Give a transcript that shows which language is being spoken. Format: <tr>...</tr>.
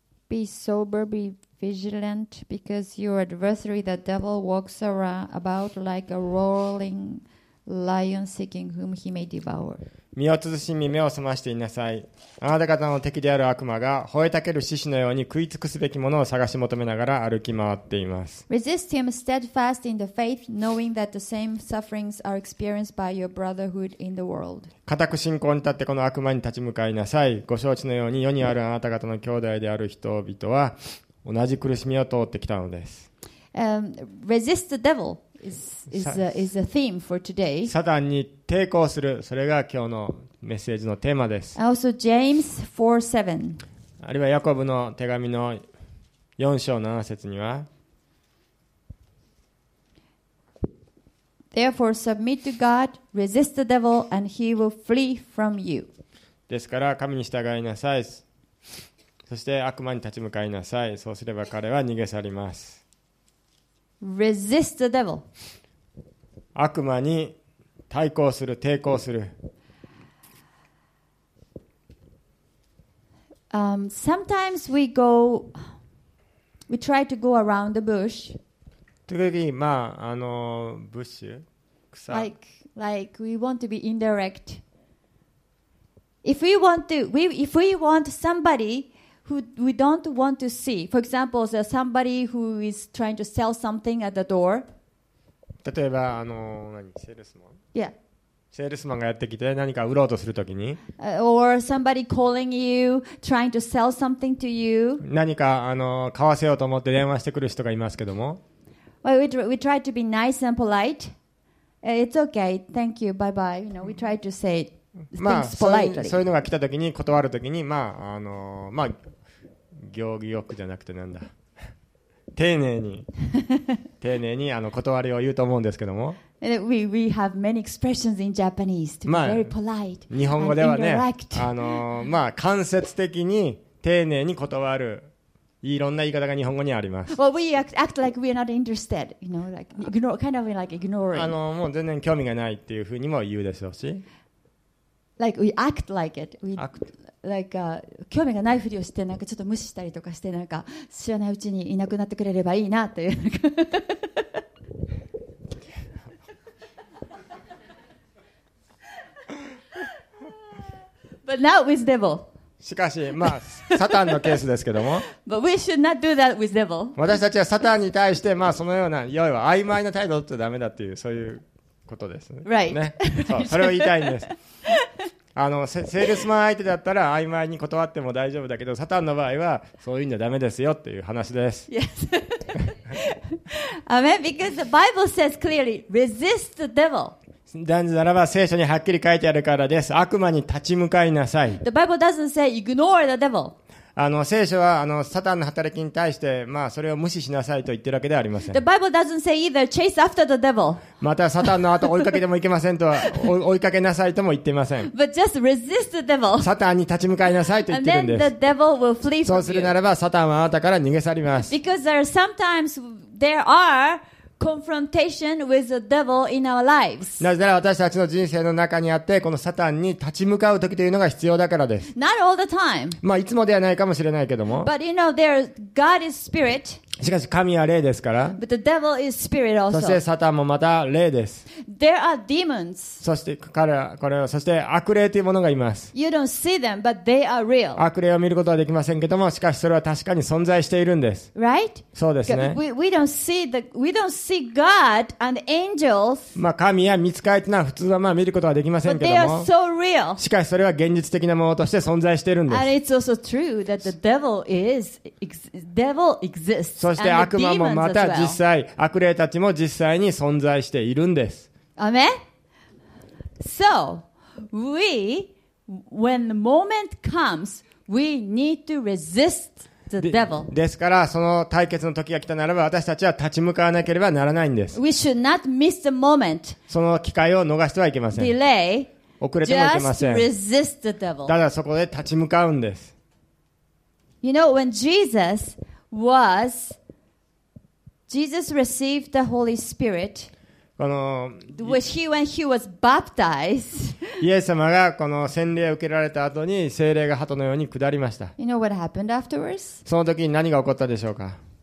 <en>Be sober, be vigilant, because your adversary, the devil, walks around about like a roaring lion seeking whom he may devour.</en> <ja>身を慎み、目を覚ましていなさい。あなた方の敵である悪魔が吠えたける獅子のように食い尽くすべきものを探し求めながら歩き回っています。</ja> <en>Resist him steadfast in the faith, knowing that the same sufferings are experienced by your brotherhood in the world.</en> <ja>固く信仰に立ってこの悪魔に立ち向かいなさい。ご承知のように世にあるあなた方の兄弟である人々は同じ苦しみを通ってきたのです。</ja> <en>Resist the devil. Is a theme for today.</en> <ja>サタンに抵抗する、それが今日のメッセージのテーマです。</ja> <en>Also James 4:7.</en> <ja>あるいはヤコブの手紙の4章7節には、</ja> <en>Therefore submit to God, resist the devil, and he will flee from you.</en> <ja>ですから神に従いなさい。そして悪魔に立ち向かいなさい。そうすれば彼は逃げ去ります。</ja> <en>Resist the devil.</en> <ja>悪魔に対抗する、抵抗する。</ja> <en>Sometimes we go, we try to go around the bush.</en> <ja>時々、まあ、あの、ブッシュ、草。</ja> <en>Like we want to be indirect. If we want somebody. Who we don't want to see. For example, there's somebody who is trying to sell something at the door.</en> <ja>例えばあの何セールスマン。</ja> <en>Yeah.</en> <ja>セールスマンがやってきて何か売ろうとするときに。</ja> <en>Or somebody calling you, trying to sell something to you.</en> <ja>何かあの買わせようと思って電話してくる人がいますけども。</ja> <en>Well, we try to be nice and polite. It's okay. Thank you. Bye bye. You know, we try to say.</en> <ja>まあ、そういうのが来たときに断るときに、まあ、あのまあ行儀よくじゃなくてなんだ丁寧に丁寧にあの断りを言うと思うんですけども</ja> <en>we have many expressions in Japanese to be very polite、</en> <ja>まあ、日本語ではねあのまあ間接的に丁寧に断るいろんな言い方が日本語にあります。</ja> <en>Well, we act like we are not interested, you know, like ignore, kind of like ignoring.</en> <ja>あのもう全然興味がないっていうふうにも言うでしょうし。</ja> <en>Like we act like it. We act like</en> <ja>興味がないふりをして、なんかちょっと無視したりとかして、なんか知らないうちにいなくなってくれればいいなという。</ja> <en>But not with devil.</en> <ja>しかし、まあ、サタンのケースですけども。</ja> <en>But we should not do that with devil.</en> <ja>私たちはサタンに対して、まあ、そのような、いわゆる曖昧な態度を取ってダメだっていう、そういうことですね。</ja> <en>Right.</en> <ja>ね。そう、それを言いたいんです。あの、セールスマン相手だったら曖昧に断っても大丈夫だけど、サタンの場合は、そういうんじゃダメですよっていう話です。</ja> <en>Yes. Amen. Because the Bible says clearly, resist the devil.</en> <ja>断じならば聖書にはっきり書いてあるからです。悪魔に立ち向かいなさい。</ja> <en>The Bible doesn't say ignore the devil.</en> <ja>あの聖書はあのサタンの働きに対して、まあ、それを無視しなさいと言ってるわけではありません。</ja> <en>The Bible doesn't say either chase after the devil.</en> <ja>またサタンの後追いかけてもいけませんとは追いかけなさいとも言ってません。</ja> <en>But just resist the devil.</en> <ja>サタンに立ち向かいなさいと言ってるんです。</ja> <en>And then the devil will flee from</en> <ja>you. そうするならばサタンはあなたから逃げ去ります。</ja> <en>Because there are sometimes there areConfrontation with the devil in our lives.</en> <ja>なぜなら私たちの人生の中にあってこのサタンに立ち向かう時というのが必要だからです。</ja> <en>Not all the time.</en> <ja>まあいつもではないかもしれないけども。</ja> <en>But you know, there God is spirit.</en> <ja>しかし神は霊ですから。</ja> <en>But the devil is spirit also.</en> <ja>そしてサタンもまた霊です。</ja> <en>There are demons.</en> <ja>そして彼らこれはそして悪霊というものがいます。</ja> <en>You don't see them, but they are real.</en> <ja>悪霊を見ることはできませんけども、しかしそれは確かに存在しているんです。</ja> <en>Right?</en> <ja>そうですね。</ja> <en>We don't see God and angels,</en> <ja>まあ神や御使いというのは普通はまあ見ることはできませんけども、</ja> <en>but they are so real.</en> <ja>しかしそれは現実的なものとして存在しているんです。</ja> <en>And it's also true that the devil is devil exists.</en> <ja>そして悪魔もまた実際、悪霊たちも実際に存在しているんです。</ja> <en>Amen? So, we, when the moment comes, we need to resist.</en> <ja>ですからその対決の時が来たならば私たちは立ち向かわなければならないんです。</ja> <en>We should not miss the moment.</en> <ja>その機会を逃してはいけません。</ja> <en>Delay.</en> <ja>遅れてもいけません。</ja> <en>Just resist the devil.</en> <ja>ただそこで立ち向かうんです。</ja> <en>You know, when Jesus received the Holy Spirit, when he was baptized,</en> <ja>イエス様がこの洗礼を受けられた後に聖霊が鳩のように下りました。</ja> <en>You know what happened afterwards?</en> <ja>その時に何が起こったでしょうか。</ja>